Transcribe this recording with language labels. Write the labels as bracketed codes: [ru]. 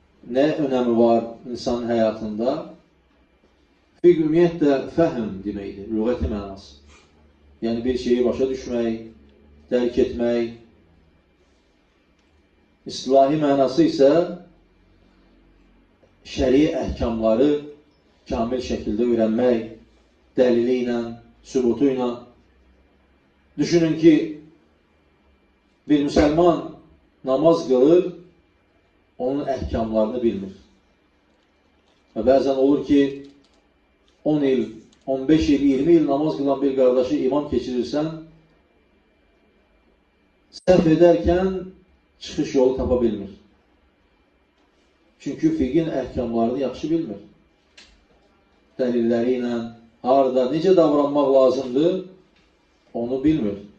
[tr] Ne önemi var insanın hayatında? [az] Fiqh ümumiyyətlə fəhm demektir. Lügəti mənası. Yani bir şeyi başa düşmək, dərk etmək, İslahi mənası isə şəri əhkamları kamil şəkildə öyrənmək, dəlili ilə, sübutu ilə. Düşünün ki, bir müsəlman namaz qılır, onun əhkamlarını bilmir. Və bəzən olur ki, 10 il, 15 il, 20 il namaz qılan bir qardaşı imam keçirirsən, səhv edərkən çıxış yolu tapa bilmir. Çünki fiqhin əhkamlarını yaxşı bilmir. Dəlilləri ilə, harada, necə davranmaq lazımdır, onu bilmir.